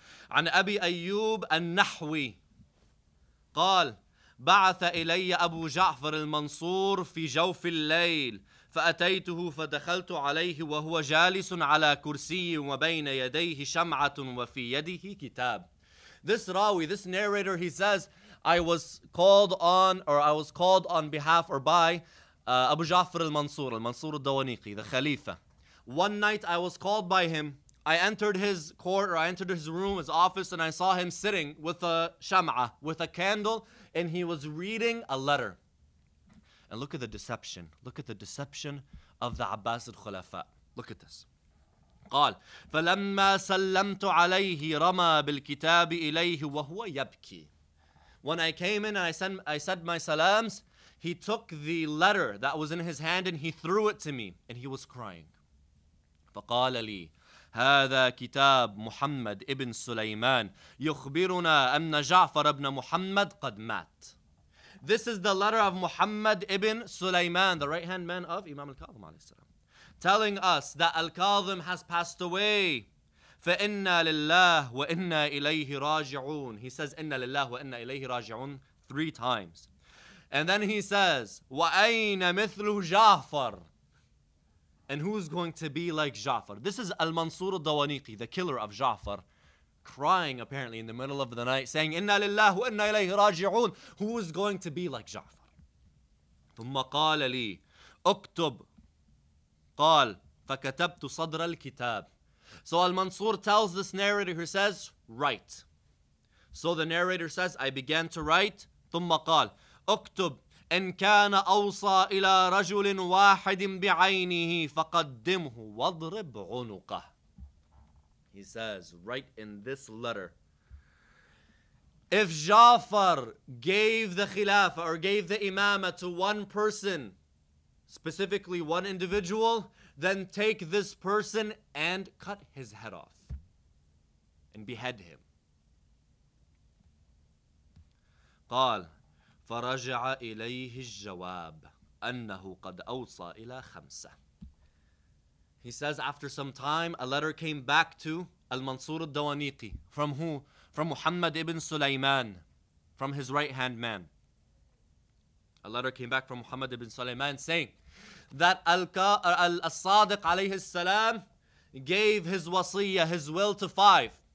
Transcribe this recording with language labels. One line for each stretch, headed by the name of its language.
Arabic: عن أبي أيوب النحوي قال بعث إلي أبو جعفر المنصور في جوف الليل فأتيته فدخلت عليه وهو جالس على كرسي وبين يديه شمعة وفي يده كتاب.
English: This rawi, this narrator, he says, I was called on behalf or by Abu Ja'far al-Mansur, al-Mansur al-Dawaniqi, the Khalifa. One night I was called by him. I entered his room, his office, and I saw him sitting with a shama, with a candle, and he was reading a letter. And look at the deception. Look at the deception of the Abbasid Khulafa. Look at this.
Arabic: قال فلما سلمت عليه رمى بالكتاب إليه وهو يبكي.
English: When I came in and I said my salams, he took the letter that was in his hand and he threw it to me and he was crying.
Arabic: فقال لي هذا كتاب محمد ابن سليمان يخبرنا أن جعفر ابن محمد قد مات.
English: This is the letter of Muhammad ibn Sulaiman, the right-hand man of Imam Al-Kadhim alayhi salam, telling us that Al-Kadhim has passed away.
Arabic: فَإِنَّا لِلَّهِ وَإِنَّا إِلَيْهِ رَاجِعُونَ.
English: He says,
Arabic: إِنَّا لِلَّهِ وَإِنَّا إِلَيْهِ رَاجِعُونَ
English: three times. And then he says,
Arabic: وَأَيْنَ مِثْلُ جَعْفَرٍ.
English: And who's going to be like Ja'far? This is Al-Mansur al-Dawaniqi, the killer of Ja'far, crying apparently in the middle of the night, saying,
Arabic: إِنَّا لِلَّهِ وَإِنَّا إِلَيْهِ رَاجِعُونَ.
English: Who is going to be like Ja'far?
Arabic: ثُمَّ قَالَ لِي أُكْتُبْ قَالْ فَكَتَبْتُ صَدْرَ الْكِتَابِ.
English: So Al-Mansur tells this narrator, who says, write. So the narrator says, I began to write.
Arabic: ثُمَّ قَالْ أُكْتُبْ إِنْ كَانَ أَوْصَى إِلَىٰ رَجُلٍ وَاحِدٍ بِعَيْنِهِ فَقَدِّمْهُ وَضْرِبْ عُنُقَهُ.
English: He says, write in this letter. If Ja'far gave the khilafah or gave the imamah to one person, specifically one individual, then take this person and cut his head off and behead him.
Arabic: قال فرجع إليه الجواب أنه قد أوصى إلى خمسة.
English: He says, after some time, a letter came back to Al-Mansur al-Dawaniqi. From who? From Muhammad ibn Sulaiman, from his right-hand man. A letter came back from Muhammad ibn Sulaiman saying that Al-Sadiq alayhi salam gave his wasiyah, his will, to five.